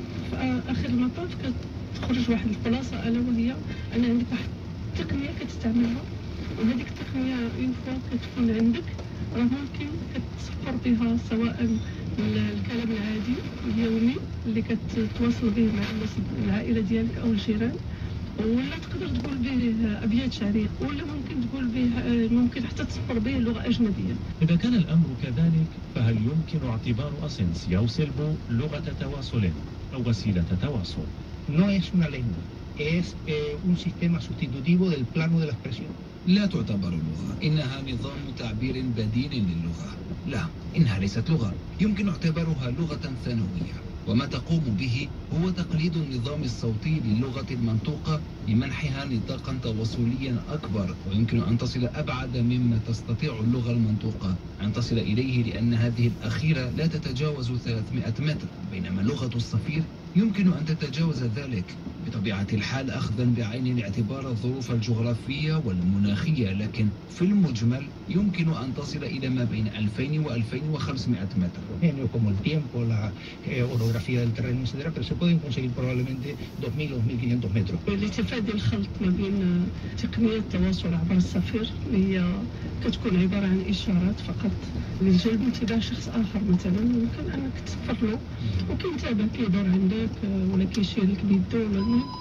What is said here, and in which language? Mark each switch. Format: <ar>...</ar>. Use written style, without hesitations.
<ar>في آخر المطاف كتخرج واحد الخلاصة ألا وهي أنا عندك واحد التقنية كتستعملها وهذيك التقنية إن فوا كتكون عندك راه ممكن كتسفر بها سواء الكلام العادي اليومي اللي كتواصل به مع العائلة ديالك أو الجيران ولا تقدر تقول به أبيات شعرية ولا ممكن تقول به ممكن حتى تسفر به لغة أجنبية. إذا كان الأمر كذلك فهل يمكن اعتبار أسينسي أو سيلبو لغة تواصل أو وسيلة تواصل؟</ar> <es>No es una lengua, es un sistema sustitutivo del plano de la expresión.</es> <ar>لا تعتبر لغة، إنها نظام تعبير بديل للغة. لا، إنها ليست لغة، يمكن اعتبارها لغة ثانوية، وما تقوم به هو تقليد النظام الصوتي للغة المنطوقة لمنحها نطاقا تواصليا أكبر، ويمكن أن تصل أبعد مما تستطيع اللغة المنطوقة أن تصل إليه لأن هذه الأخيرة لا تتجاوز 300 متر، بينما لغة الصفير يمكن أن تتجاوز ذلك. بطبيعة الحال أخذا بعين الاعتبار الظروف الجغرافية والمناخية، لكن في المجمل يمكن أن تصل إلى ما بين 2000 و2500 متر.</ar> <es>يعني como el tiempo la orografía del terreno etcétera, pero se pueden conseguir probablemente 2000 o 2500 metros.</es> <ar>لتفادي الخلط ما بين تقنية التواصل عبر السفير هي كتكون عبارة عن إشارات فقط لجلب انتباه شخص آخر مثلا ممكن أنا كتسفر له وكنتابع كيدور عندك ولا كيشيرك بيدو ولا</ar>